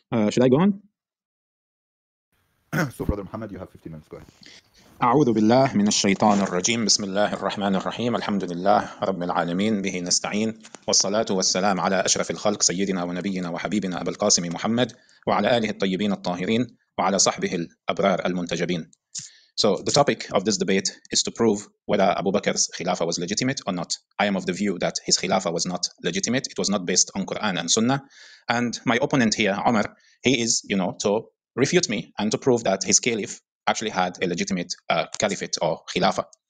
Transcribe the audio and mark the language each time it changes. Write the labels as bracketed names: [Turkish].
[English] Should I go on? So, Brother Muhammad, you have 15 minutes. Go ahead. [Arabic] أعوذ بالله من الشيطان الرجيم بسم الله الرحمن الرحيم الحمد لله رب العالمين به نستعين والصلاة والسلام على أشرف الخلق سيدنا ونبينا وحبيبنا أبا القاسم محمد وعلى آله الطيبين الطاهرين وعلى صحبه الأبرار المنتجبين. [English] So the topic of this debate is to prove whether Abu Bakr's Khilafah was legitimate or not. I am of the view that his Khilafah was not legitimate. It was not based on Quran and Sunnah. And my opponent here, Omar, he is, to refute me and to prove that his caliph actually had a legitimate caliphate or Khilafah.